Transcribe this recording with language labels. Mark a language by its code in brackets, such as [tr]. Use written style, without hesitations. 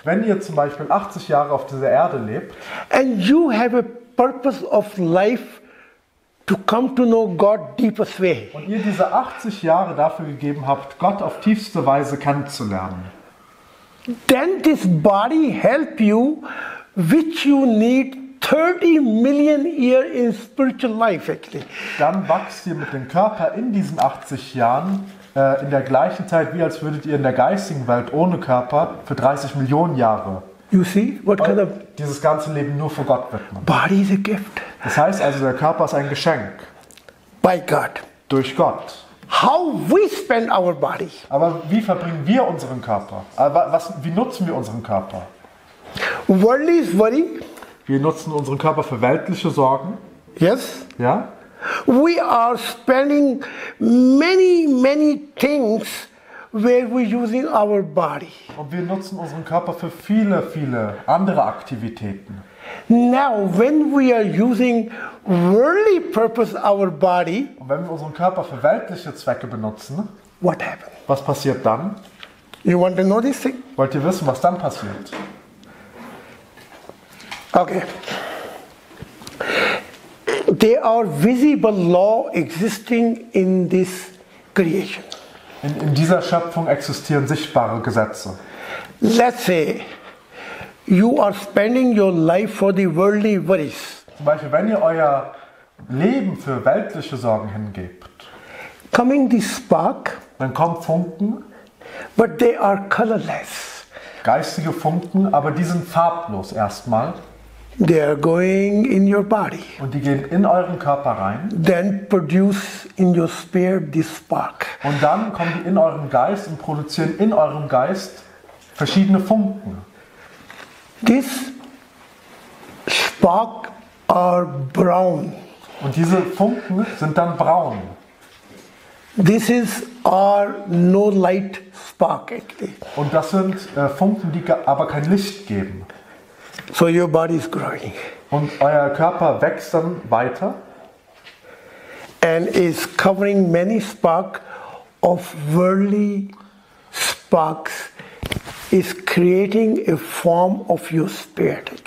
[de] wenn ihr zum Beispiel 80 Jahre auf dieser Erde lebt, [en] and you have a purpose of life to come to know God deepest way, [de] und ihr diese 80 Jahre dafür gegeben habt, Gott auf tiefste Weise kennenzulernen, [en] then this body help you which you need 30 million years in spiritual life actually. [de] Dann wächst ihr mit dem Körper in diesen 80 Jahren in der gleichen Zeit, wie als würdet ihr in der geistigen Welt ohne Körper für 30 Millionen Jahre. [en] You see, what kind of [de] dieses ganze Leben nur für Gott widmen. [en] Body is a gift. [de] Das heißt also, der Körper ist ein Geschenk. [en] By God. [de] Durch Gott. [en] How we spend our body. [de] Aber wie verbringen wir unseren Körper? Wie nutzen wir unseren Körper? [en] Worldly is worry. [de] Wir nutzen unseren Körper für weltliche Sorgen. [en] Yes. [de] Ja. [en] We are spending many things where we using our body. [de] Und wir nutzen unseren Körper für viele andere Aktivitäten. [en] Now when we are using worldly purpose our body. [de] Und wenn wir unseren Körper für weltliche Zwecke benutzen. [en] What happens? [de] Was passiert dann? [en] You want to know this thing? [de] Wollt ihr wissen, was dann passiert? [en] Okay. There are visible law existing in this creation. [de] In dieser Schöpfung existieren sichtbare Gesetze. [en] Let's say you are spending your life for the worldly worries. [de] Zum Beispiel, wenn ihr euer Leben für weltliche Sorgen hingebt. [en] Coming the spark. [de] Dann kommt Funken. [en] But they are colorless. [de] Geistige Funken, aber die sind farblos erstmal. [en] They are going in your body. [de] Und die gehen in euren Körper rein. [en] Then produce in your spirit this spark. [de] Und dann kommen die in euren Geist und produzieren in eurem Geist verschiedene Funken. [en] This spark are brown. [de] Und diese Funken sind dann braun. [en] This is are no light spark actually. [de] Und das sind Funken, die aber kein Licht geben. [en] So your body is growing. [de] Und euer Körper wächst dann weiter. [en] And is covering many sparks of worldly sparks is creating a form of your spirit.